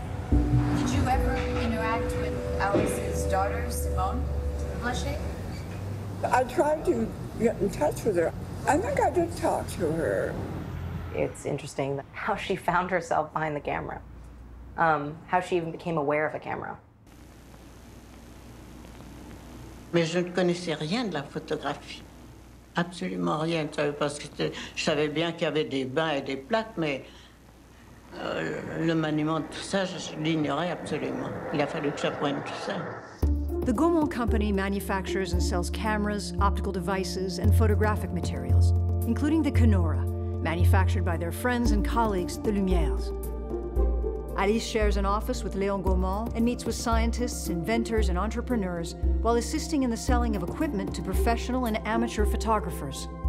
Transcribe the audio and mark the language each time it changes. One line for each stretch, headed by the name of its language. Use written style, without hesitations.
English: Did you ever interact with Alice's daughter, Simone Blaché? I tried to get in touch with her. I think I did talk to her. It's interesting how she found herself behind the camera, how she even became aware of a camera.
French: Mais je ne connaissais rien de la photographie, absolument rien. Parce que je savais bien qu'il y avait des bains et des plaques, mais le maniement de tout ça, je l'ignorais absolument. Il a fallu que j'apprenne tout ça.
English: The Gaumont Company manufactures and sells cameras, optical devices, and photographic materials, including the Kenora, manufactured by their friends and colleagues, the Lumières. Alice shares an office with Léon Gaumont and meets with scientists, inventors, and entrepreneurs while assisting in the selling of equipment to professional and amateur photographers.